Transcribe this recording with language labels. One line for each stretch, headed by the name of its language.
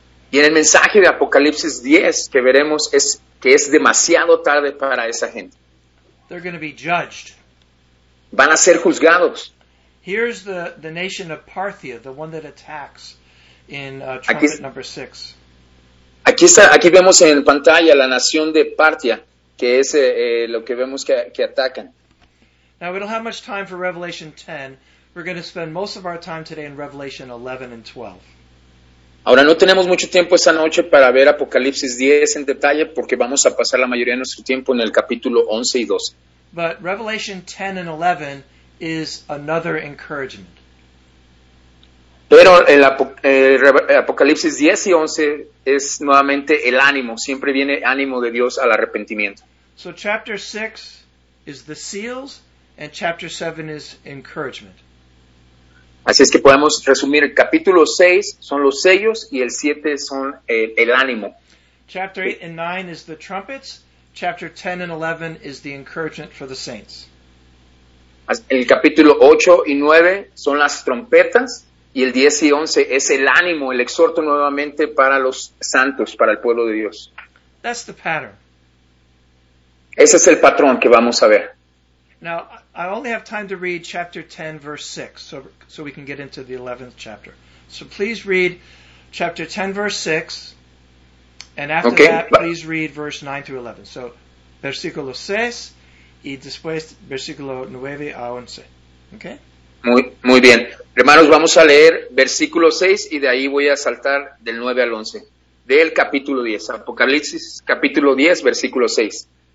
Spanish: Y en el mensaje de Apocalipsis 10 que veremos es que es demasiado tarde para esa gente.
English: They're going to be judged.
Spanish: Van a ser juzgados.
English: Here's the nation of Parthia, the one that attacks in trumpet number 6.
Spanish: Aquí vemos en pantalla la nación de Parthia, que es lo que vemos que atacan.
English: Now, we don't have much time for Revelation 10. We're going to spend most of our time today in Revelation 11 and 12.
Spanish: Ahora, no tenemos mucho tiempo esta noche para ver Apocalipsis 10 en detalle, porque vamos a pasar la mayoría de nuestro tiempo en el capítulo 11 y 12.
English: But Revelation 10 and 11 is another encouragement.
Spanish: Pero el Apocalipsis 10 y 11 es nuevamente el ánimo. Siempre viene ánimo de Dios al arrepentimiento.
English: So chapter 6 is the seals, and chapter 7 is encouragement.
Spanish: Así es que podemos resumir. El capítulo 6 son los sellos, y el 7 son el ánimo.
English: Chapter 8 and 9 is the trumpets. Chapter 10 and 11 is the encouragement for the saints.
Spanish: El capítulo 8 y 9 son las trompetas, y el 10 y 11 es el ánimo, el exhorto nuevamente para los santos, para el pueblo de Dios.
English: That's the pattern.
Spanish: Ese es el patrón que vamos a ver.
English: Now, I only have time to read chapter 10, verse 6, so we can get into the 11th chapter. So please read chapter 10, verse 6, and after okay. That, please read verse 9 through 11.
Spanish: So, versículo 6. Y después, versículo 9 a 11. ¿Ok? Muy bien. Hermanos, vamos a leer versículo 6 y de ahí voy a saltar del 9 al 11. Del capítulo 10, Apocalipsis, capítulo 10, versículo 6.